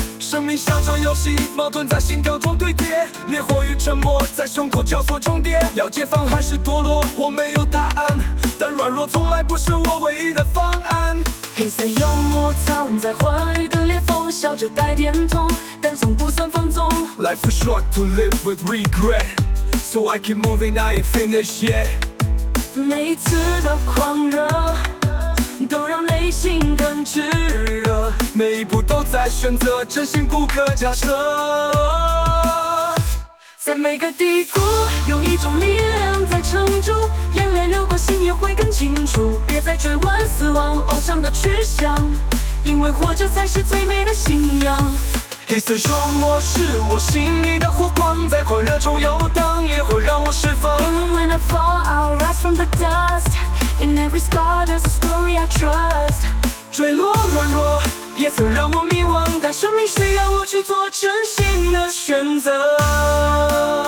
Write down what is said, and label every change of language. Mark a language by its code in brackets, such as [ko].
[zh] 生命像场游戏，矛盾在心跳中堆叠，烈火与沉默在胸口交错重叠。要解放还是堕落，我没有答案，但软弱从来不是我唯一的方案。黑色幽默藏在话语的裂缝，笑着带点痛，但从不算放纵。 [en] Life is short to live with regret, so I keep moving, I ain't finished yet。 [zh] 每一次的狂热都让内心更炽热，每一步都在选择真心不可假设。在每个低谷有一种力量在撑住，眼泪流过心也会更清楚。别再追问死亡偶像的去向，因为活着才是最美的信仰。一丝幽默是我心里的火光，在狂热中游荡也会让我释放。 [en] When I fall I'll rise from the dust, in every scar there's a story I trust。 [zh] 坠落软弱也曾让我迷惘，但生命需要我去做真心的选择。